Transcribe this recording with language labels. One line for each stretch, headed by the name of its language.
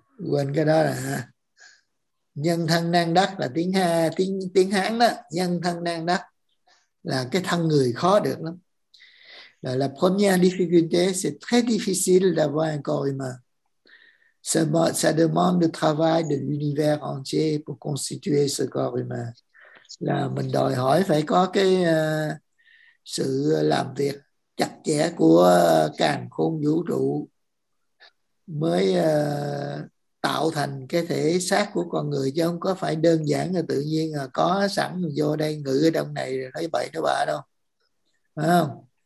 Vietnamese: Quên cái đó là nhân thân năng đắc, là tiếng ha, tiếng Hán đó. Nhân thân năng đắc là cái thân người khó được lắm.
French: Là la première difficulté, c'est très difficile d'avoir un corps humain. Ça demande le travail de l'univers entier pour constituer ce corps humain.
Vietnamese: Là mình đòi hỏi phải có cái sự làm việc chặt chẽ của càn khôn vũ trụ mới tạo thành cái thể xác của con người, chứ không có phải đơn giản là tự nhiên là có sẵn vô đây ngự ở trong này rồi nói bậy nói bạ đâu, phải không?